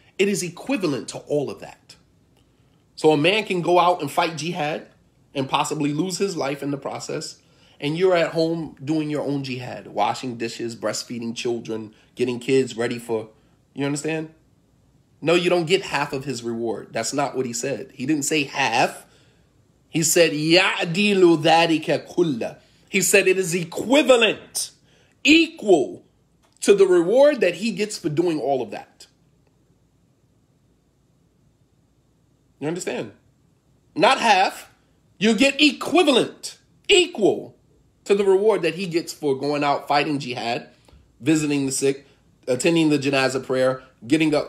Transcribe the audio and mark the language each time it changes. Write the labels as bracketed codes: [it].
[en] It is equivalent to all of that. So a man can go out and fight jihad and possibly lose his life in the process. And you're at home doing your own jihad, washing dishes, breastfeeding children, getting kids ready for, you understand? No, you don't get half of his reward. That's not what he said. He didn't say half. [ar] He said, يَعْدِلُ ذَٰلِكَ كُلَّ. [en] He said it is equivalent, equal to the reward that he gets for doing all of that. You understand? Not half. You get equivalent, equal to the reward that he gets for going out, fighting jihad, visiting the sick, attending the janazah prayer, getting up.